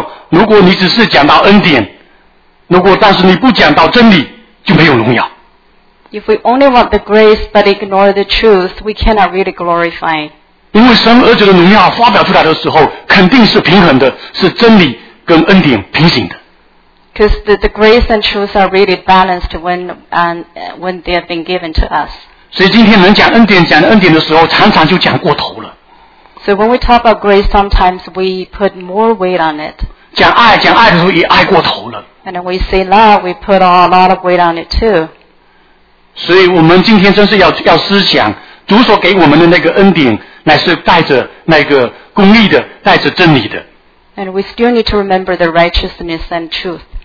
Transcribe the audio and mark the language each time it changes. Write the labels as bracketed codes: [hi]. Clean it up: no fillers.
[zh] 如果你只是讲到恩典，如果但是你不讲到真理，就没有荣耀。 [en] If we only want the grace but ignore the truth, we cannot really glorify. [zh] 因为神儿子的荣耀发表出来的时候，肯定是平衡的，是真理跟恩典平行的。 [en] Because the grace and truth are really balanced when they have been given to us. [zh] 所以今天能讲恩典，讲恩典的时候，常常就讲过头了。 [en] So when we talk about grace, sometimes we put more weight on it. [zh] 讲爱，讲爱的时候也爱过头了。 [en] And when we say love, we put on a lot of weight on it too. [zh] 所以我们今天真是要思想，主所给我们的那个恩典，乃是带着那个公义的，带着真理的。 [en] And we still need to remember the righteousness and truth.